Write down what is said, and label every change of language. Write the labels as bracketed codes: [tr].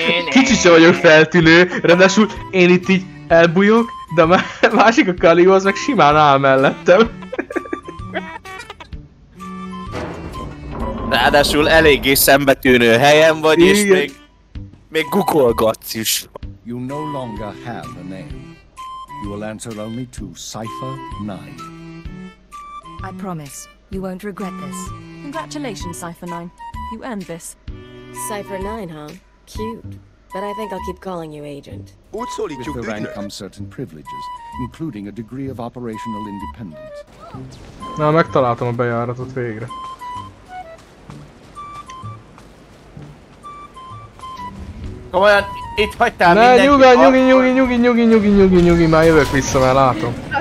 [hu] Kicsit sem vagyok feltűnő, ráadásul én itt így elbújok, de a másik a Kaligo az meg simán áll mellettem. Ráadásul eléggé szembetűnő helyen vagy, igen. És még guggolgatsz is. [en] You no longer have a name. You will answer only to Cipher 9. I promise, you won't regret this. Congratulations, Cipher 9. You earned this. Cipher 9, huh? Cute. But I think I'll keep calling you agent. With the rank come certain privileges, including a degree of operational independence. [hu] Na, megtaláltam a bejáratot végre. Komolyan, itt hagytál mindenki! Ne, nyugodj, nyugi, már jövök vissza, már látom.